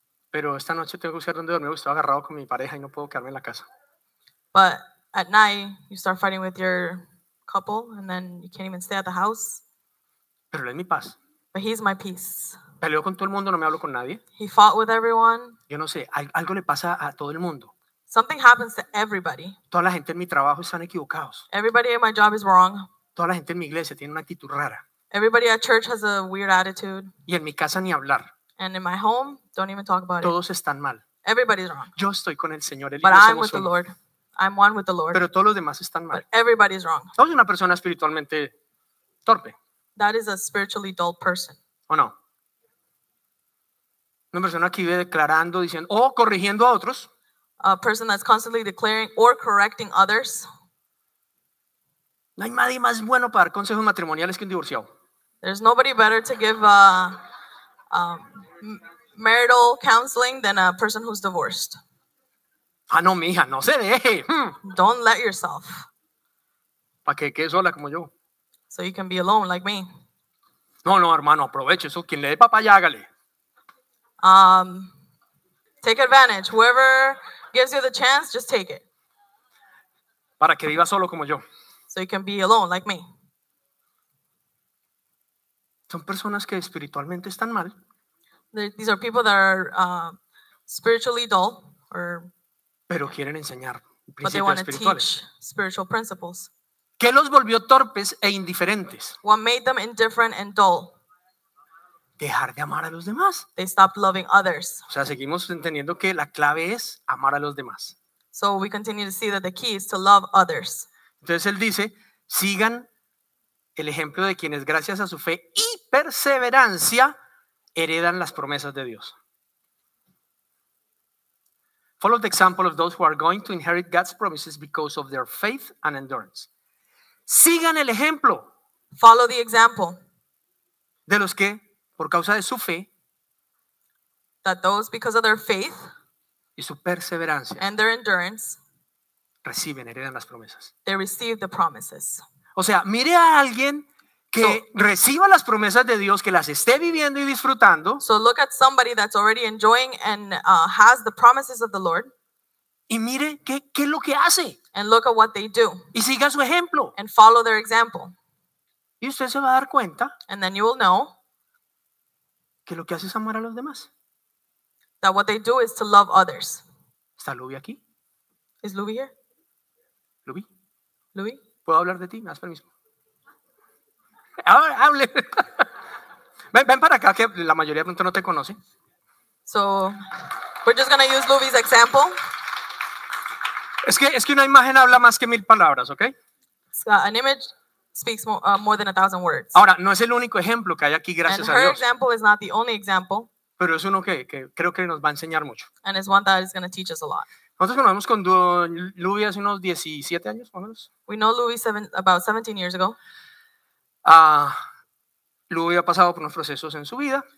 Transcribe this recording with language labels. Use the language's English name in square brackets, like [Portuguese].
[Spanish] Pero esta noche tengo que buscar dónde dormir. Estoy agarrado con mi pareja y no puedo quedarme en la casa. [English] But at night, you start fighting with your couple and then you can't even stay at the house. [Spanish] Pero él es mi paz. [English] But he's my peace. [Spanish] Peleó con todo el mundo, no me hablo con nadie. [English] He fought with everyone. [Spanish] Yo no sé, algo le pasa a todo el mundo. [English] Something happens to everybody. [Spanish] Toda la gente en mi trabajo están equivocados. [English] Everybody in my job is wrong. [Spanish] Toda la gente en mi iglesia tiene una actitud rara. [English] Everybody at church has a weird attitude. [Spanish] Y en mi casa ni hablar. [English] And in my home, don't even talk about [Spanish] todos Todos están mal. [English] Everybody's wrong. [Spanish] Yo estoy con el Señor, él y yo somos uno. [English] But I'm with the Lord. I'm one with the Lord. [Spanish] Pero todos los demás están mal. [English] But everybody's wrong. [Spanish] Soy una persona espiritualmente torpe. [English] That is a spiritually dull person. [Spanish] ¿O no? Una persona que vive declarando, diciendo, o corrigiendo a otros. [English] A person that's constantly declaring or correcting others. [Spanish] No hay nadie más bueno para dar consejos matrimoniales que un divorciado. [English] There's nobody better to give marital counseling than a person who's divorced. [Spanish] Ah, no, mija, no se deje. [English] Don't let yourself. [Spanish] Para que quede sola como yo. [English] So you can be alone like me. [Spanish] No, no, hermano, aproveche eso. Quien le dé papá, ya hágale. [English] Take advantage. Whoever gives you the chance, just take it. [Spanish] Para que viva solo como yo. [English] So you can be alone like me. [Spanish] Son personas que espiritualmente están mal. [English] These are people that are spiritually dull. [Spanish] Pero quieren enseñar principios espirituales. [English] But they want to teach spiritual principles. [Spanish] ¿Qué los volvió torpes e indiferentes? [English] What made them indifferent and dull? [Spanish] Dejar de amar a los demás. [English] They stopped loving others. [Spanish] O sea, seguimos entendiendo que la clave es amar a los demás. [English] So we continue to see that the key is to love others. [Spanish] Entonces él dice, sigan el ejemplo de quienes gracias a su fe y perseverancia heredan las promesas de Dios. [English] Follow the example of those who are going to inherit God's promises because of their faith and endurance. [Spanish] Sigan el ejemplo. [English] Follow the example. [Spanish] De los que, por causa de su fe. [English] That those, because of their faith. [Spanish] Y su perseverancia. [English] And their endurance. [Spanish] Reciben, heredan las promesas. [English] They receive the promises. [Spanish] O sea, mire a alguien que reciba las promesas de Dios, que las esté viviendo y disfrutando. [English] So look at somebody that's already enjoying and has the promises of the Lord. [Spanish] Y mire qué es lo que hace. [English] And look at what they do. [Spanish] Y siga su ejemplo. [English] And follow their example. [Spanish] Y usted se va a dar cuenta. [English] And then you will know. [Spanish] Que lo que hace es amar a los demás. [English] That what they do is to love others. [Spanish] ¿Está Luby aquí? [English] Is Luby here? [Spanish] ¿Luby? ¿Luby? ¿Puedo hablar de ti? ¿Me das permiso? Ahora hable. Ven para acá que la mayoría de pronto no te conoce. [English] So, we're just gonna use Luby's example. [Spanish] Es que una imagen habla más que mil palabras, ¿ok? [English] So, an image speaks more than 1,000 words. [Spanish] Ahora, no es el único ejemplo que hay aquí, gracias a Dios. [English] And her example is not the only example. [Spanish] Pero es uno que creo que nos va a enseñar mucho. [English] And it's one that is gonna teach us a lot. [Spanish] Nosotros conocimos con Luby hace unos 17 años, más o menos. [English] We know Luby about 17 years ago. [Spanish] Luby ha pasado por unos procesos en su vida.